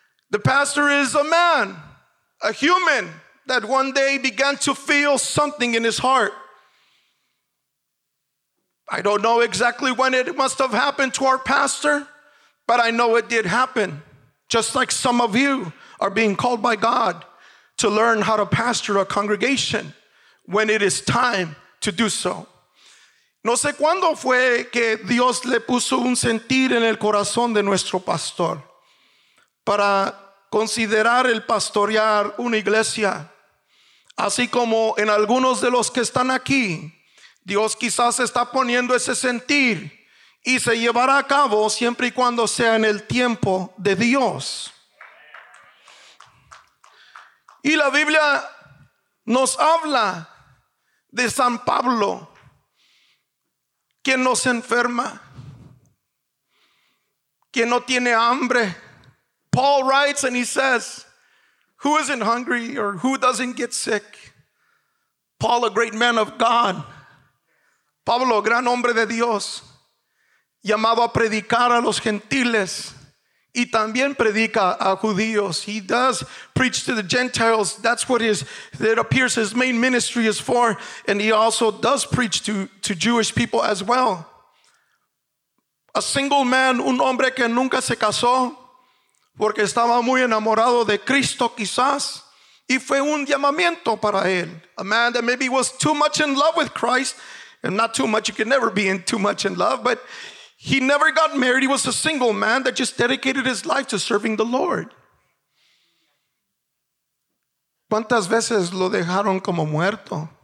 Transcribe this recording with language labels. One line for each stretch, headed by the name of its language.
English: The pastor is a man, a human, that one day began to feel something in his heart. I don't know exactly when it must have happened to our pastor, but I know it did happen. Just like some of you are being called by God to learn how to pastor a congregation when it is time to do so.
Spanish: No sé cuándo fue que Dios le puso un sentir en el corazón de nuestro pastor para considerar el pastorear una iglesia. Así como en algunos de los que están aquí, Dios quizás está poniendo ese sentir y se llevará a cabo siempre y cuando sea en el tiempo de Dios. Y la Biblia nos habla de San Pablo. Quien no se enferma, quien no tiene hambre.
English: Paul writes and he says, who isn't hungry or who doesn't get sick? Paul, a great man of God.
Spanish: Pablo, gran hombre de Dios, llamado a predicar a los gentiles y también predica a judíos.
English: He does preach to the Gentiles. That's what his, that appears his main ministry is for. And he also does preach to Jewish people as well. A single man,
Spanish: un hombre que nunca se casó, porque estaba muy enamorado de Cristo quizás, y fue un llamamiento para él.
English: A man that maybe was too much in love with Christ, and not too much, you can never be in too much in love, but he never got married. He was a single man that just dedicated his life to serving the Lord.
Spanish: ¿Cuántas veces lo dejaron como muerto?